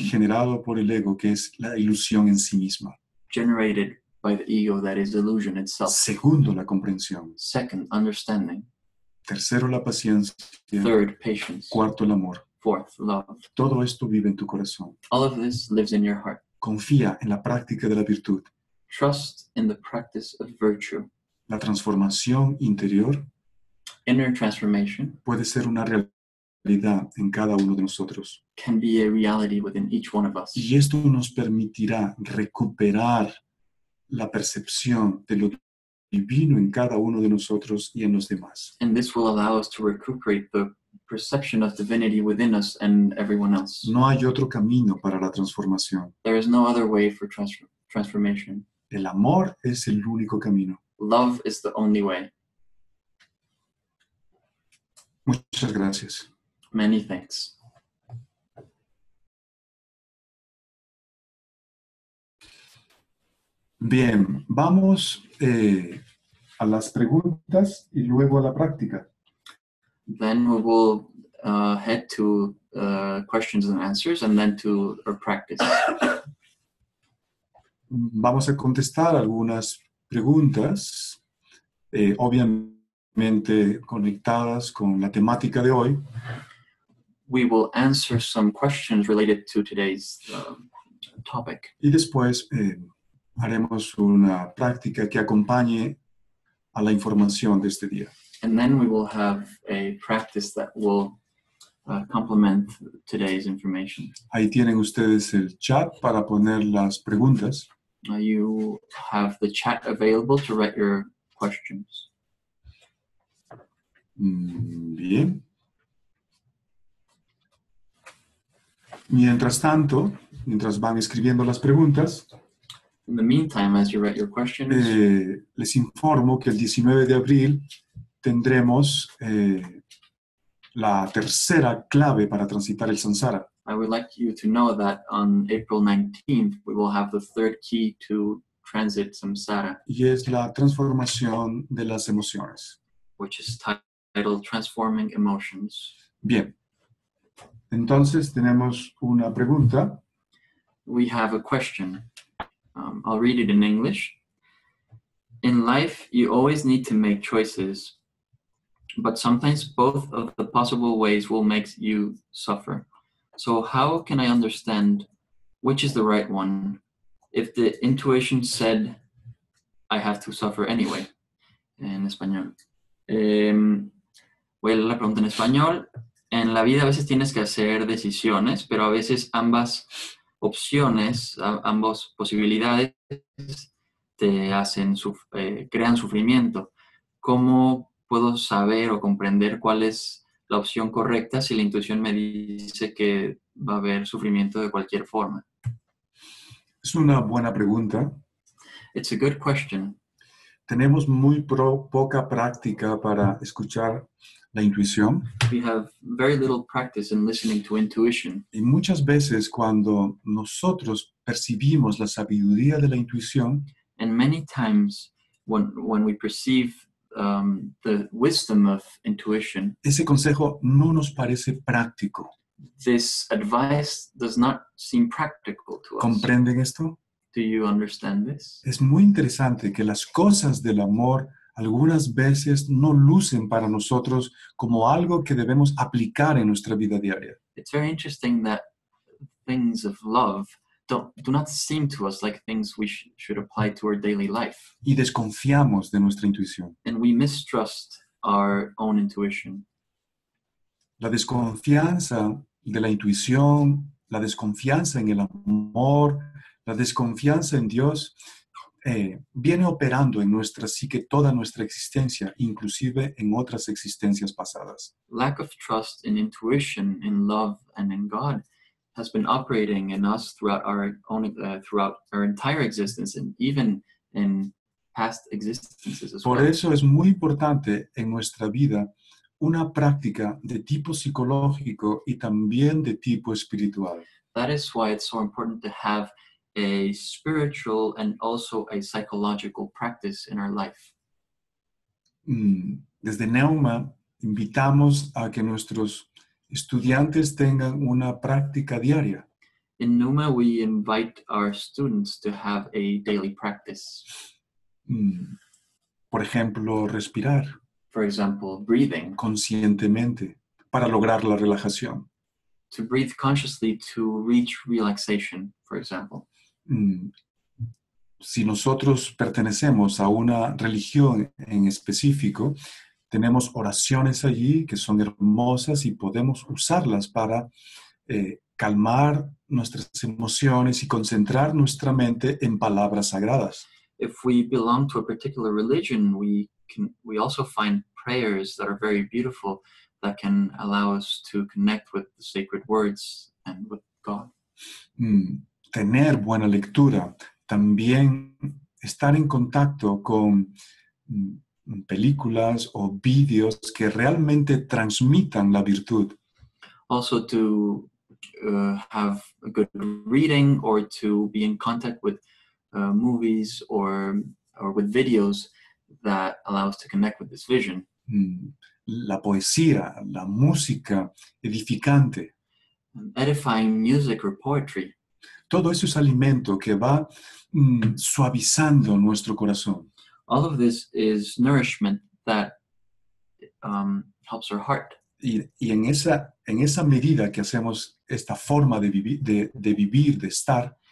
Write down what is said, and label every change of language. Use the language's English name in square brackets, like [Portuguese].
[Spanish] Generado por el ego, que es la ilusión en sí misma. [English] Generated by the ego, that is illusion itself. [Spanish] Segundo, la comprensión. [English] Second, understanding. [Spanish] Tercero, la paciencia. [English] Third, patience. [Spanish] Cuarto, el amor. [English] Fourth, love. [Spanish] Todo esto vive en tu corazón. [English] All of this lives in your heart. [Spanish] Confía en la práctica de la virtud. [English] Trust in the practice of virtue. [Spanish] La transformación interior. [English] Inner transformation. [Spanish] Puede ser una realidad. En cada uno de nosotros. [English] Can be a reality within each one of us. [Spanish] Y esto nos permitirá recuperar la percepción de lo divino en cada uno de nosotros y en los demás. [English] And this will allow us to recuperate the perception of divinity within us and everyone else. [Spanish] No hay otro camino para la transformación. [English] There is no other way for transformation. [Spanish] El amor es el único camino. [English] Love is the only way. [Spanish] Muchas gracias. [English] Many thanks. [Spanish] Bien, vamos a las preguntas y luego a la práctica. [English] Then we will head to questions and answers and then to our practice. [Spanish] Vamos a contestar algunas preguntas, obviamente conectadas con la temática de hoy. [English] We will answer some questions related to today's topic. [Spanish] Y después haremos una práctica que acompañe a la información de este día. [English] And then we will have a practice that will complement today's information. [Spanish] Ahí tienen ustedes el chat para poner las preguntas. [English] You have the chat available to write your questions. [Spanish] Bien. Mientras tanto, mientras van escribiendo las preguntas, [English] in the meantime, as you write your questions, [Spanish] les informo que el 19 de abril tendremos la tercera clave para transitar el samsara. [English] I would like you to know that on April 19th, we will have the third key to transit samsara. [Spanish] Y es la transformación de las emociones. [English] Which is titled Transforming Emotions. [Spanish] Bien. Entonces, tenemos una pregunta. [English] We have a question. I'll read it in English. In life, you always need to make choices, but sometimes both of the possible ways will make you suffer. So how can I understand which is the right one if the intuition said I have to suffer anyway? [Spanish] En español. Voy a leer la pregunta en español. En la vida a veces tienes que hacer decisiones, pero a veces ambas opciones, ambas posibilidades te hacen crean sufrimiento. ¿Cómo puedo saber o comprender cuál es la opción correcta si la intuición me dice que va a haber sufrimiento de cualquier forma? Es una buena pregunta. [English] It's a good question. [Spanish] Tenemos muy poca práctica para escuchar la intuición. [English] We have very little practice in listening to intuition. [Spanish] Y muchas veces cuando nosotros percibimos la sabiduría de la intuición, [English] and many times when we perceive the wisdom of intuition, [Spanish] ese consejo no nos parece práctico. [English] This advice does not seem practical to us. [Spanish] ¿Comprenden esto? [English] Do you understand this? [Spanish] Es muy interesante que las cosas del amor algunas veces no lucen para nosotros como algo que debemos aplicar en nuestra vida diaria. [English] It's very interesting that things of love do not seem to us like things we should apply to our daily life. [Spanish] Y desconfiamos de nuestra intuición. [English] And we mistrust our own intuition. [Spanish] La desconfianza de la intuición, la desconfianza en el amor, la desconfianza en Dios viene operando en nuestra psique toda nuestra existencia, inclusive en otras existencias pasadas. [English] Lack of trust in intuition, in love, and in God has been operating in us throughout our entire existence and even in past existences as well. [Spanish] Por eso es muy importante en nuestra vida una práctica de tipo psicológico y también de tipo espiritual. [English] That is why it's so important to have a spiritual and also a psychological practice in our life. [Spanish] Desde Neuma invitamos a que nuestros estudiantes tengan una práctica diaria. [English] In Neuma, we invite our students to have a daily practice. [Spanish] Por ejemplo, respirar. [English] For example, breathing. [Spanish] Conscientemente, para lograr la relajación. [English] To breathe consciously to reach relaxation, for example. [Spanish] Si nosotros pertenecemos a una religión en específico, tenemos oraciones allí que son hermosas y podemos usarlas para calmar nuestras emociones y concentrar nuestra mente en palabras sagradas. [English] if we belong to a particular religion, we also find prayers that are very beautiful that can allow us to connect with the sacred words and with God. [Spanish] Tener buena lectura, también estar en contacto con películas o vídeos que realmente transmitan la virtud. [English] Also to have a good reading or to be in contact with movies or with videos that allow us to connect with this vision. [Spanish] La poesía, la música edificante. [English] Edifying music or poetry. [Spanish] Todo eso es alimento que va suavizando nuestro corazón. [English] All of this is nourishment that helps our heart. [Spanish] Y en esa medida que hacemos esta forma de vivir, de estar,